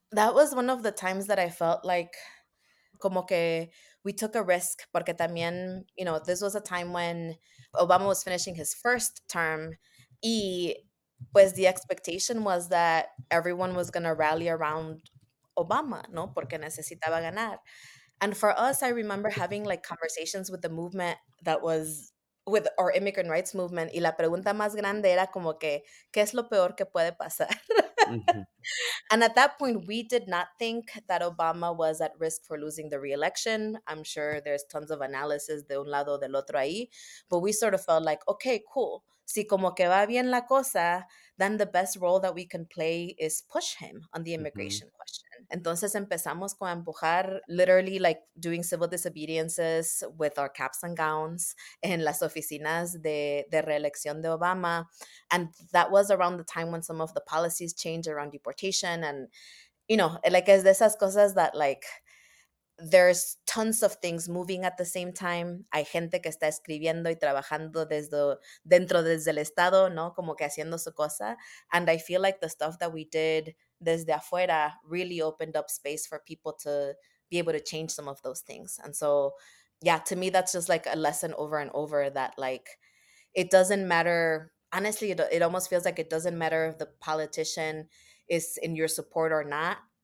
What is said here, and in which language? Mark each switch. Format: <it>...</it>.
<en>That was one of the times that I felt like, como que we took a risk, porque también, you know, this was a time when Obama was finishing his first term, y pues the expectation was that everyone was going to rally around Obama, ¿no? Porque necesitaba ganar. And for us, I remember having like conversations with the movement that was with our immigrant rights movement.</en> <es>Y la pregunta más grande era como que, ¿qué es lo peor que puede pasar?</es> <en>And at that point, we did not think that Obama was at risk for losing the re-election. I'm sure there's tons of analysis de un lado o del otro ahí. But we sort of felt like, okay, cool. Si como que va bien la cosa, then the best role that we can play is push him on the immigration question.</en> <es>Entonces empezamos con empujar, literally like doing civil disobediences with our caps and gowns en las oficinas de reelección de Obama.</es> <en>And that was around the time when some of the policies changed around deportation. And, you know, like es de esas cosas that like, there's tons of things moving at the same time.</en> <es>Hay gente que está escribiendo y trabajando desde el estado, ¿no? Como que haciendo su cosa.</es> <en>And I feel like the stuff that we did desde afuera really opened up space for people to be able to change some of those things. And so, yeah, to me, that's just like a lesson over and over that like, it doesn't matter. Honestly, it almost feels like it doesn't matter if the politician is in your support or not.</en>